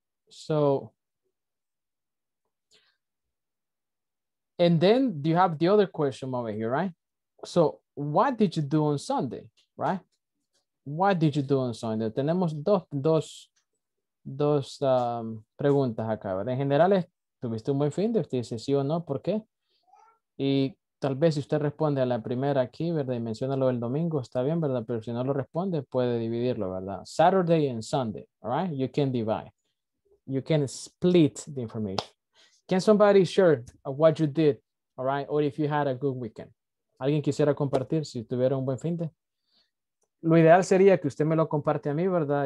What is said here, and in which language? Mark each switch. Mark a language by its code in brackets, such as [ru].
[en] So, and then you have the other question over here, right? So, what did you do on Sunday, right? What did you do on Sunday? [es] Tenemos dos preguntas acá, ¿verdad? En general, ¿tuviste un buen fin de semana? ¿Sí o no? ¿Por qué? ¿Y Tal vez si usted responde a la primera aquí, ¿verdad? Y menciona lo del domingo, está bien, ¿verdad? Pero si no lo responde, puede dividirlo, ¿verdad? [en] Saturday and Sunday, all right? You can divide. You can split the information. Can somebody share what you did, all right? Or if you had a good weekend. [es] ¿Alguien quisiera compartir si tuviera un buen fin de? Lo ideal sería que usted me lo comparte a mí, ¿verdad?